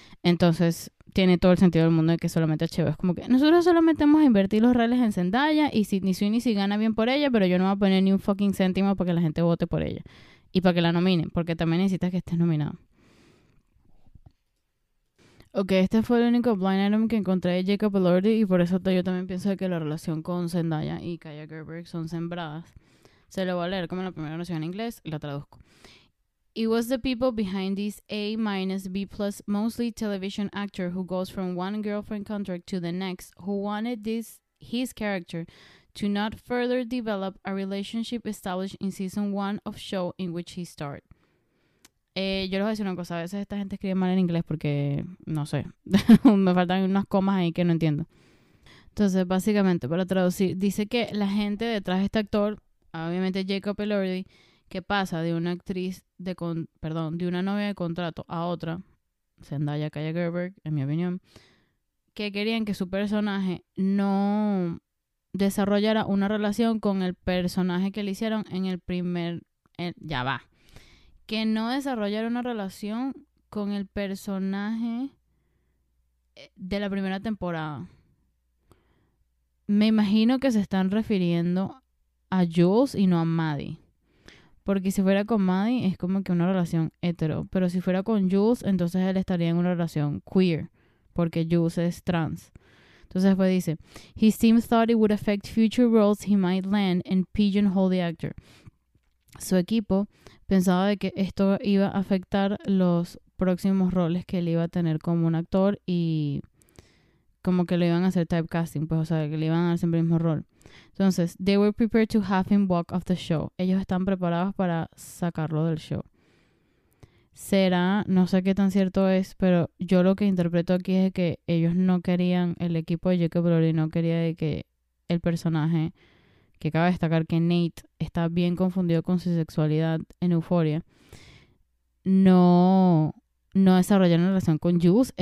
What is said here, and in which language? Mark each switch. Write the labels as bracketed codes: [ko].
[es] Entonces tiene todo el sentido del mundo de que solamente HBO es como que nosotros solamente vamos a invertir los reales en Zendaya y Sydney Sweeney si gana bien por ella, pero yo no voy a poner ni un fucking céntimo para que la gente vote por ella y para que la nominen, porque también necesitas que estés nominado. Ok, este fue el único blind item que encontré de Jacob Elordi, y por eso yo también pienso que la relación con Zendaya y Kaya Gerber son sembradas. Se lo voy a leer como la primera versión en inglés y la traduzco. [en] It was the people behind this A minus B plus mostly television actor who goes from one girlfriend contract to the next who wanted his character to not further develop a relationship established in season one of show in which he starred. [es] Yo les voy a decir una cosa, a veces esta gente escribe mal en inglés porque no sé, me faltan unas comas ahí que no entiendo. Entonces, básicamente, para traducir, dice que la gente detrás de este actor, obviamente Jacob Elordi, que pasa de una actriz de con perdón, de una novia de contrato a otra, Zendaya Kaya Gerber, en mi opinión, que querían que su personaje no desarrollara una relación con el personaje que le hicieron en el primer ya va. Que no desarrollara una relación con el personaje de la primera temporada. Me imagino que se están refiriendo a Jules y no a Maddie. Porque si fuera con Maddie es como que una relación hetero, pero si fuera con Jules, entonces él estaría en una relación queer, porque Jules es trans. Entonces pues dice, [en] his team thought it would affect future roles he might land and pigeonhole the actor. [es] Su equipo pensaba de que esto iba a afectar los próximos roles que él iba a tener como un actor y como que lo iban a hacer typecasting, pues, o sea, que le iban a dar siempre el mismo rol. [en] Entonces, they were prepared to have him walk off the show. [es] Ellos están preparados para sacarlo del show. Será, no sé qué tan cierto es, pero yo lo que interpreto aquí es que ellos no querían, el equipo de Jacob Elordi no quería de que el personaje, que cabe destacar que Nate está bien confundido con su sexualidad en Euphoria, no desarrollar una relación con Jules.